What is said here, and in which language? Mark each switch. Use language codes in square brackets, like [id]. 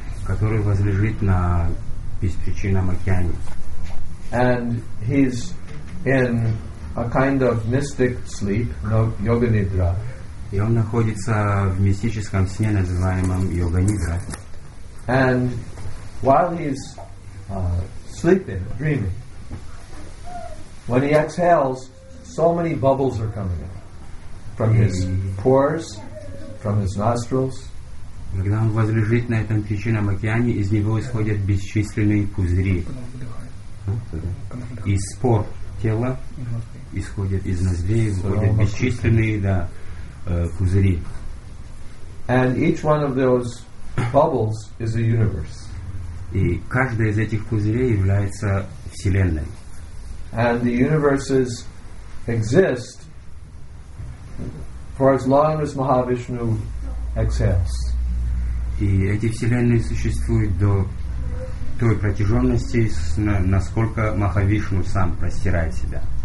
[ru] Который возлежит на беспричинном океане. [en] And he's in a kind of mystic sleep, yoga nidra. [ru] И он находится в мистическом сне, называемом йога-нидра. [en] And while he's sleeping, dreaming, when he exhales, so many bubbles are coming out from his pores, from his nostrils. [ru] Когда он возлежит на этом причинном океане, из него исходят бесчисленные пузыри. Из пор тела исходят, из ноздрей исходят бесчисленные, да, пузыри. [en] And each one of those bubbles is a universe. [ru] И каждая из этих пузырей является вселенной. [en] And the universes exist for as long as Mahavishnu exhales. [ru] И эти вселенные существуют до той протяженности, насколько Махавишну сам простирает себя.